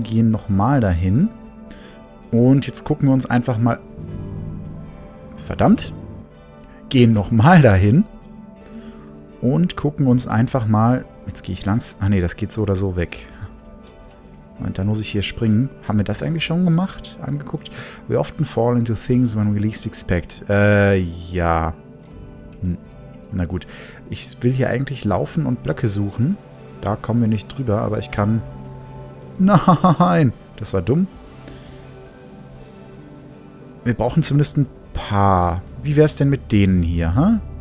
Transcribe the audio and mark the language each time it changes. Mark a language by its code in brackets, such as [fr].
[de] Gehen nochmal dahin. Und jetzt gucken wir uns einfach mal... Verdammt. Gehen nochmal dahin. Und gucken uns einfach mal... Jetzt gehe ich langs... Ah ne, das geht so oder so weg. Und dann muss ich hier springen. Haben wir das eigentlich schon gemacht? Angeguckt? [en] We often fall into things when we least expect. [de] Ja. Na gut. Ich will hier eigentlich laufen und Blöcke suchen. Da kommen wir nicht drüber, aber ich kann... Nein! Das war dumm. Wir brauchen zumindest ein paar. Wie wäre es denn mit denen hier, hä?